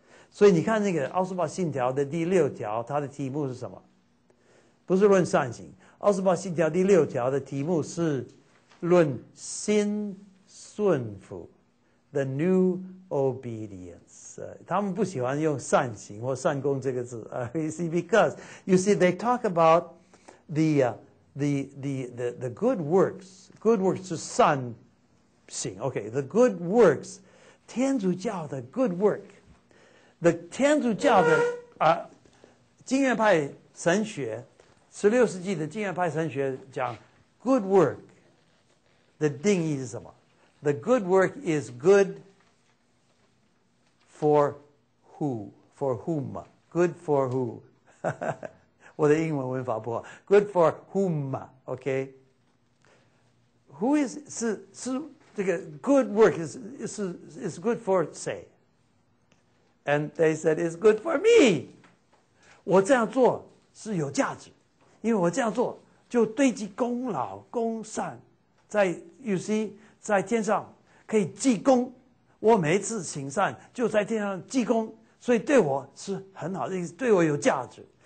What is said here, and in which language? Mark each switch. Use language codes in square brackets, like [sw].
[zh] 所以你看那个奥斯巴信条的第六条，它的题目是什么？不是论善行。奥斯巴信条第六条的题目是论新顺服 ， [en] the new obedience。 [zh] 他们不喜欢用善行或善功这个字。 [en] You see, because you see, they talk about the good works. Good works [zh] 是善行。 [en] Okay, the good works， [zh] 天主教的 [en] good work。 The [zh] 天主教的啊，经验派神学，16世纪的经验派神学讲 [en] ，good work [zh] 的定义是什么 [en] ？The good work is good for who? For whom? Good for who? [zh] 我的英文文法不好。 [en] Good for whom? OK? Who is [zh] 是这个 [en] good work is good for say? And they said it's good for me. [zh] 我这样做是有价值，因为我这样做就堆积功劳、功善，在 [en] you see [zh] 在天上可以记功。我每一次行善就在天上记功，所以对我是很好的，对我有价值。